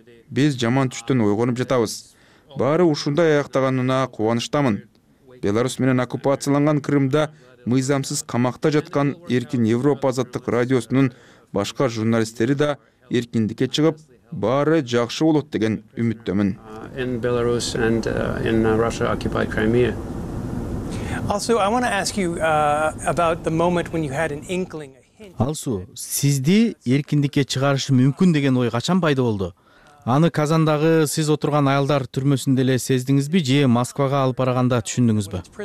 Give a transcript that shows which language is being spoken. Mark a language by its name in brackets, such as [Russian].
[Kyrgyz] Биз жаман түштөн ойгонуп жатабыз. Баары ушундай аяктаганына кубанычтамын. Беларус менен оккупацияланган Крымда мыйзамсыз камакта жаткан Эркин Европа Азаттык радиосунун башка журналисттери да эркиндикке чыгып, баары жакшы болот деген үмүттөмүн. [English] In Belarus and in Russia occupied Crimea. Also, I want to ask you about the moment when you had an inkling, a hint. [Kyrgyz] Алсу, сизди эркиндикке чыгарышы мүмкүн деген ой качан пайда болду? Аны Казандагы сиз отурган аялдар түрмөсүндө эле сездиңизби же Москвага алып барганда түшүндүңүзбү?